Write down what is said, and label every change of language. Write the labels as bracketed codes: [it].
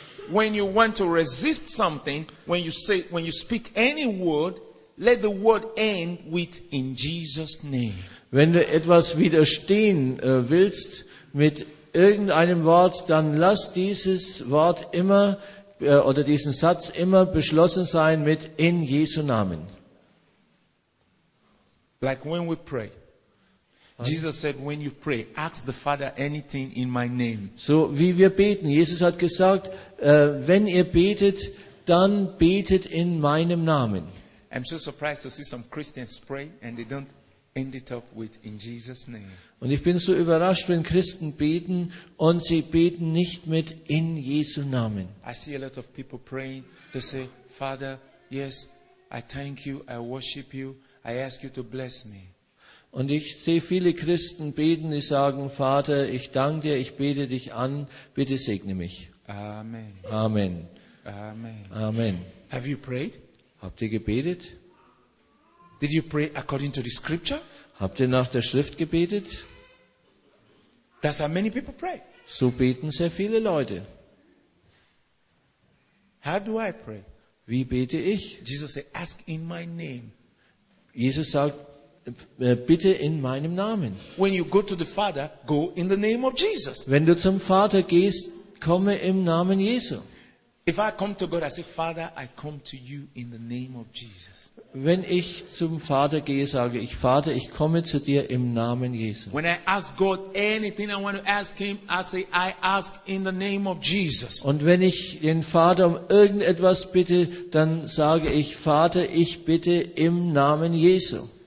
[en] When you want to resist something, when you speak any word, Let the word end with in Jesus' name. [de] Wenn du etwas widerstehen willst mit irgendeinem Wort, dann lass dieses Wort immer oder diesen Satz immer beschlossen sein mit in Jesu Namen. [en] Like when we pray. Jesus said, when you pray, ask the Father anything in my name. [de] So wie wir beten. Jesus hat gesagt, wenn ihr betet, dann betet in meinem Namen. [en] I'm so surprised to see some Christians pray and they don't end it up with in Jesus' name. [de] Und ich bin so überrascht, wenn Christen beten und sie beten nicht mit in Jesu Namen. [en] I see a lot of people praying. They say, Father, yes, I thank you, I worship you, I ask you to bless me. [de] Und ich sehe viele Christen beten, die sagen, Vater, ich danke dir, ich bete dich an, bitte segne mich. Amen. Amen. Amen. Amen. [en] Have you prayed? [de] Habt ihr gebetet? [en] Did you pray according to the scripture? [de] Habt ihr nach der Schrift gebetet? [en] That's how many people pray. [de] So beten sehr viele Leute. [en] How do I pray? [de] Wie bete ich? [en] Jesus said, ask in my name. [de] Jesus sagt, bitte in meinem Namen. [en] When you go to the Father, go in the name of Jesus. [de] Wenn du zum Vater gehst, komme im Namen Jesu. [en] If I come to God, I say, Father, I come to you in the name of Jesus. [de] Wenn ich zum Vater gehe, sage ich, Vater, ich komme zu dir im Namen Jesu. [en] When I ask God anything I want to ask him, I say, I ask in the name of Jesus. [de] Und wenn ich den Vater um irgendetwas bitte, dann sage ich, Vater, ich bitte im Namen Jesu.